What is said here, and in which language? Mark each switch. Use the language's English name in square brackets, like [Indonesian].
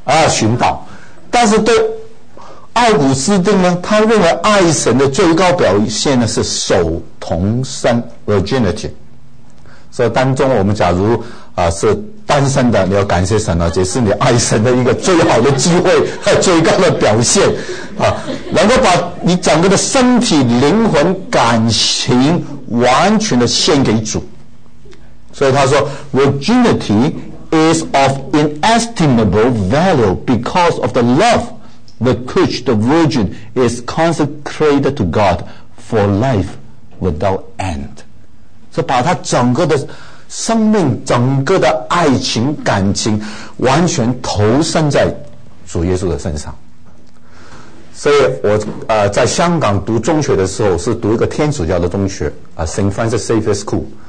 [Chinese] 寻道。但是对奥古斯丁呢，他认为爱神的最高表现呢是守童身 virginity。所以当中我们假如啊，是单身的，你要感谢神啊，这是你爱神的一个最好的机会和最高的表现啊，能够把你整个的身体、灵魂、感情完全的献给主。所以他说 [English] virginity is of inestimable value because of the love with which the virgin is consecrated to God for life without end。 [Chinese] 所以把他整个的生命、整个的爱情、感情完全投身在主耶稣的身上。所以我在香港读中学的时候是读一个天主教的中学啊 ，St. Francis Xavier School。